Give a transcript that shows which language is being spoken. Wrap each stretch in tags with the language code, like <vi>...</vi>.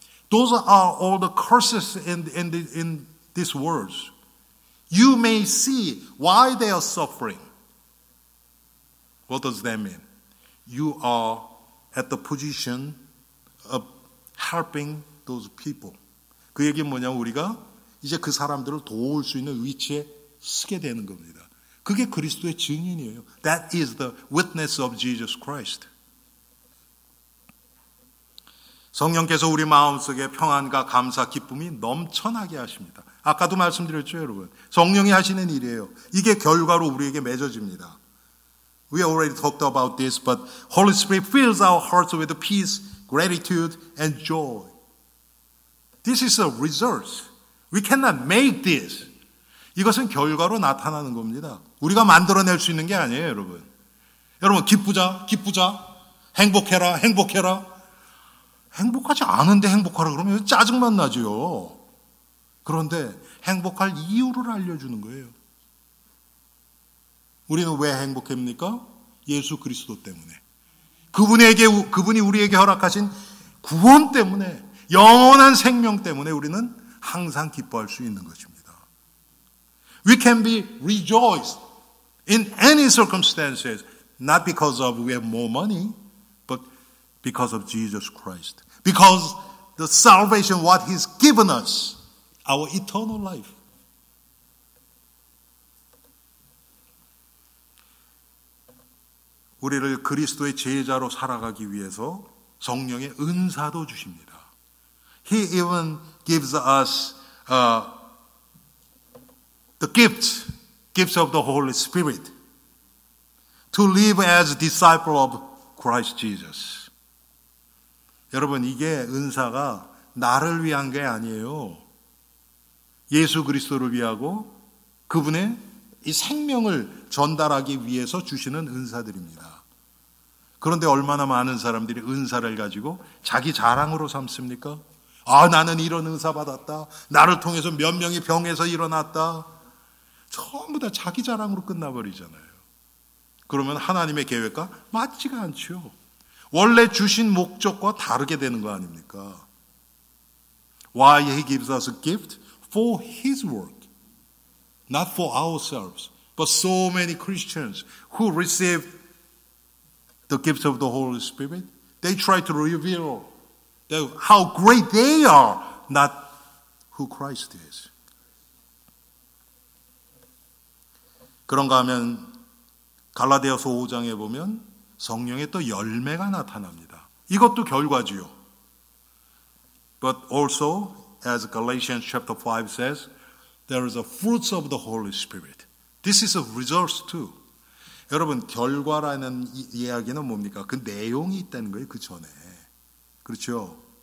<en>Those are all the curses in this world. You may see why they are suffering. What does that mean? You are at the position of helping those people.</en> <ko>그 얘기는 뭐냐면 우리가 이제 그 사람들을 도울 수 있는 위치에 서게 되는 겁니다. 그게 그리스도의 증인이에요.</ko> <en>That is the witness of Jesus Christ.</en> <ko>성령께서 우리 마음속에 평안과 감사, 기쁨이 넘쳐나게 하십니다. 아까도 말씀드렸죠, 여러분. 성령이 하시는 일이에요. 이게 결과로 우리에게 맺어집니다.</ko> <en>We already talked about this, but Holy Spirit fills our hearts with peace, gratitude, and joy. This is a result. We cannot make this.</en> <ko>이것은 결과로 나타나는 겁니다. 우리가 만들어낼 수 있는 게 아니에요, 여러분. 여러분, 기쁘자. 행복해라. 행복하지 않은데 행복하라 그러면 짜증만 나죠. 그런데 행복할 이유를 알려주는 거예요. 우리는 왜 행복합니까? 예수 그리스도 때문에. 그분이 우리에게 허락하신 구원 때문에, 영원한 생명 때문에 우리는 항상 기뻐할 수 있는 것입니다.</ko> <en>We can be rejoiced in any circumstances, not because of we have more money, but because of Jesus Christ. Because the salvation, what He's given us, our eternal life.</en> <ko>우리를 그리스도의 제자로 살아가기 위해서 성령의 은사도 주십니다.</ko> <en>He even gives us the gifts of the Holy Spirit to live as disciple of Christ Jesus.</en> <ko>여러분, 이게 은사가 나를 위한 게 아니에요. 예수 그리스도를 위하고 그분의 이 생명을 전달하기 위해서 주시는 은사들입니다. 그런데 얼마나 많은 사람들이 은사를 가지고 자기 자랑으로 삼습니까? 아, 나는 이런 은사 받았다. 나를 통해서 몇 명이 병에서 일어났다. 전부 다 자기 자랑으로 끝나버리잖아요. 그러면 하나님의 계획과 맞지가 않죠. 원래 주신 목적과 다르게 되는 거 아닙니까?</ko> <en>Why He gives us a gift? For His work. Not for ourselves. But so many Christians who received the gifts of the Holy Spirit, they try to reveal how great they are, not who Christ is.</en> <ko>그런가 하면 갈라디아서 5장에 보면 성령의 또 열매가 나타납니다. 이것도 결과지요.</ko> <en>But also, as Galatians chapter 5 says, there is a fruits of the Holy Spirit. This is a result too.</en> <ko>여러분, 결과라는 이야기는 뭡니까? 그 내용이 있다는 거예요, 그 전에. 그렇죠?</ko>